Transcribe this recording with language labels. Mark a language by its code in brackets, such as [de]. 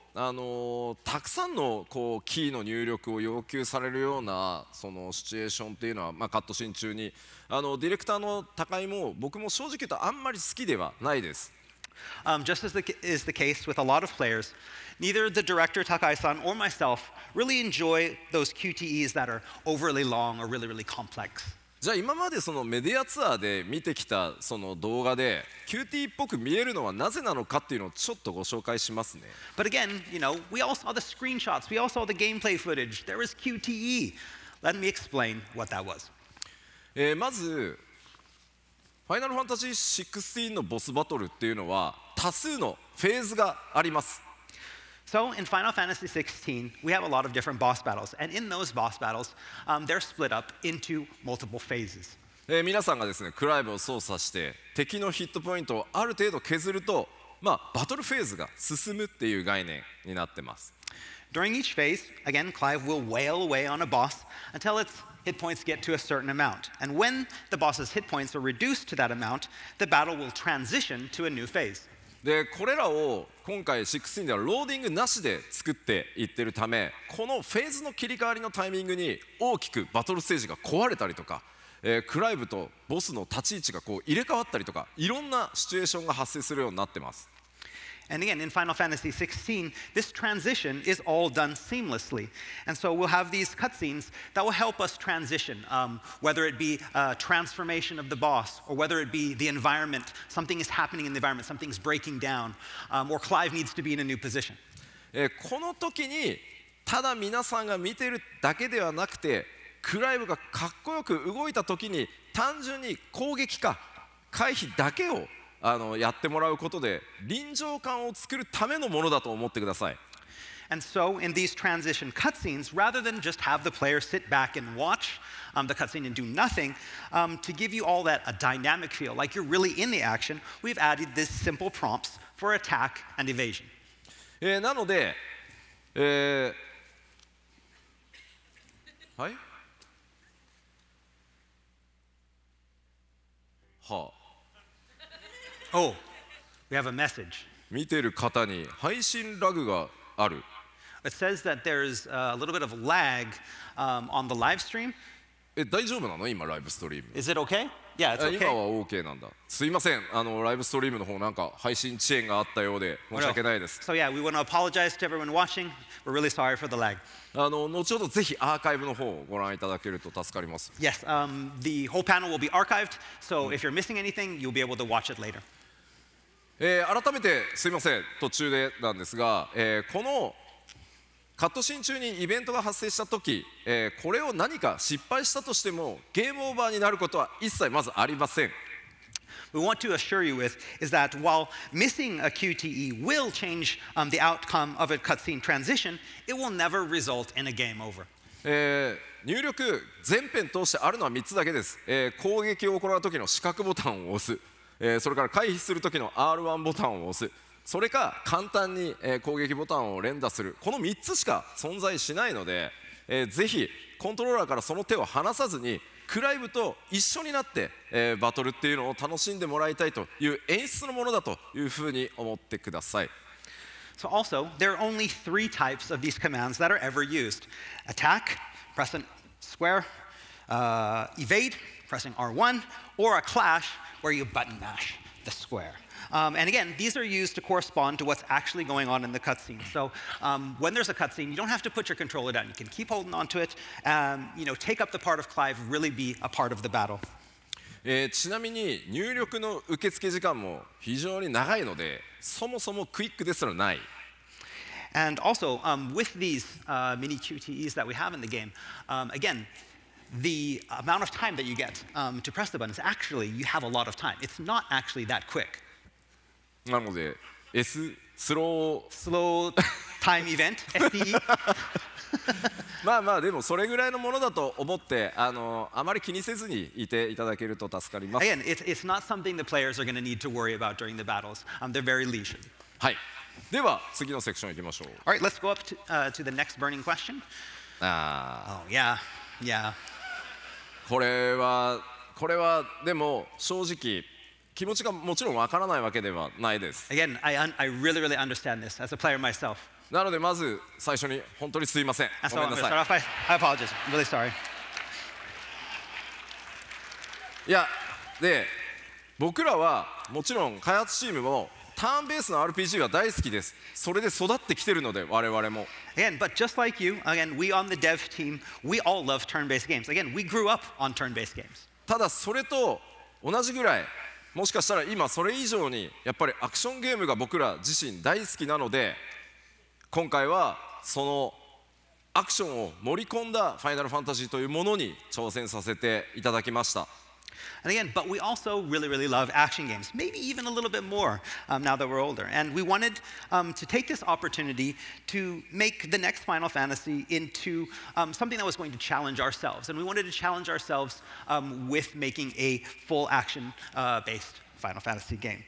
[ja] あのたくさんのこうキーの入力を要求されるようなそのシチュエーションっていうのは、まあ、カットシーン中にあのディレクターの高井も僕も正直言うとあんまり好きではないです。 [en] Just as is the case with a lot of players, neither the director Takai-san or myself really enjoy those QTEs that are overly long or really, really complex. [ja] じゃあ今までそのメディアツアーで見てきたその動画で QTE っぽく見えるのはなぜなのかっていうのをちょっとご紹介しますね。 [en] But again, you know, we all saw the screenshots, we all saw the gameplay footage. There was QTE. Let me explain what that was. [ja] まず、Final Fantasy 16のボスバトルっていうのは多数のフェーズがあります。 [en] So in Final Fantasy 16, we have a lot of different boss battles, and in those boss battles, they're split up into multiple phases. [ja] 皆さんがですね、クライブを操作して敵のヒットポイントをある程度削ると、まあバトルフェーズが進むっていう概念になってます。 [en] During each phase, again, Clive will wail away on a boss until its hit points get to a certain amount, and when the boss's hit points are reduced to that amount, the battle will transition to a new phase. [ja] でこれらを今回16ではローディングなしで作っていってるためこのフェーズの切り替わりのタイミングに大きくバトルステージが壊れたりとか、クライブとボスの立ち位置がこう入れ替わったりとかいろんなシチュエーションが発生するようになってます。 [en] And again, in Final Fantasy 16, this transition is all done seamlessly. And so we'll have these cutscenes that will help us transition, whether it be a transformation of the boss, or whether it be the environment, something is happening in the environment, something's breaking down, or Clive needs to be in a new position. [ja] この時に、ただ皆さんが見てるだけではなくて、クライブがかっこよく動いた時に、単純に攻撃か回避だけをあのやってもらうことで臨場感を作るためのものだと思ってください。 [en] And so in these transition cutscenes, rather than just have the player sit back and watch, the cutscene and do nothing, to give you all that a dynamic feel, like you're really in the action, we've added these simple prompts for attack and evasion. [ja] なので、はい。はあ。 [en] Oh, we have a message. [ja] 見てる方に配信ラグがある。 [en] It says that there's a little bit of lag, on the live stream. [ja] 大丈夫なの今ライブストリーム。 [en] Is it okay? Yeah, it's okay. [ja] 今は OK なんだ。すいません、あのライブストリームの方なんか配信遅延があったようで申し訳ないです。 [en] So yeah, we want to apologize to everyone watching. We're really sorry for the lag. [ja] あの後ほどぜひアーカイブの方をご覧いただけると助かります。 [en] Yes, the whole panel will be archived. So if you're missing anything, you'll be able to watch it later. [ja] 改めてすいません途中でなんですが、このカットシーン中にイベントが発生した時、これを何か失敗したとしてもゲームオーバーになることは一切まずありません。 [en] We want to assure you with is that while missing a QTE will change the outcome of a cutscene transition, it will never result in a game over. [ja] 入力全編通してあるのは3つだけです。攻撃を行う時の四角ボタンを押す。それから回避する時の R1 ボタンを押す。それか簡単に攻撃ボタンを連打する。この3つしか存在しないので、ぜひコントローラーからその手を離さずにクライブと一緒になって、バトルっていうのを楽しんでもらいたいという演出のものだというふうに思ってください。 [en] So also, there are only three types of these commands that are ever used. Attack, pressing square, evade, pressing R1, or a clash, where you button mash the square. And again, these are used to correspond to what's actually going on in the cutscene. So when there's a cutscene, you don't have to put your controller down. You can keep holding onto it, you know, take up the part of Clive, really be a part of the battle. [ja] ちなみに入力の受付時間も非常に長いので、そもそもクイックですらない。 [en] And also, with these mini QTEs that we have in the game, again,The amount of time that you get to press the button is actually you have a lot of time. It's not actually that quick. [ja] なので、 [en] S slow slow time event SDE. [ja] まあまあでもそれぐらいのものだと思ってあまり気にせずにいていただけると助かります。 [en] Again, it's not something the players are going to need to worry about during the battles. They're very leisurely. [ja] はい。では次のセクション行きましょう。 [en] All right, let's go up to the next burning question. Oh yeah. Yeah. [ja] これはでも正直気持ちがもちろんわからないわけではないです。 [en] Again, I really, really understand this as a player myself. [ja] なのでまず最初に本当にすいません。ごめんなさい。 [en] I apologize. I'm really sorry. [ja] いや、で、僕らはもちろん開発チームもターンベースの RPG は大好きです。それで育ってきてるので我々も。 [en] Again, but just like you, again, we on the dev team, we all love turn-based games. Again, we grew up on turn-based games. [ja] ただそれと同じぐらい。もしかしたら今それ以上にやっぱりアクションゲームが僕ら自身大好きなので今回はそのアクションを盛り込んだファイナルファンタジーというものに挑戦させていただきました。 [en] And again, but we also really, really love action games. Maybe even a little bit more now that we're older. And we wanted to take this opportunity to make the next Final Fantasy into something that was going to challenge ourselves. And we wanted to challenge ourselves with making a full action based Final Fantasy game.